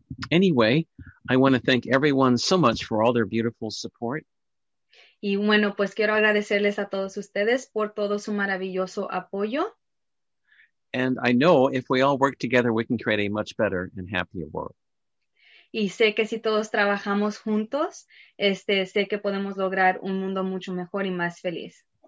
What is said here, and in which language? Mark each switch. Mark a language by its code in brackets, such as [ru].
[en] Anyway, I want to thank everyone so much for all their beautiful support. [es] Y bueno, pues quiero agradecerles a todos ustedes por todo su maravilloso apoyo. [en] And I know if we all work together, we can create a much better and happier world. [es] Y sé que si todos trabajamos juntos, sé que podemos lograr un mundo mucho mejor y más feliz.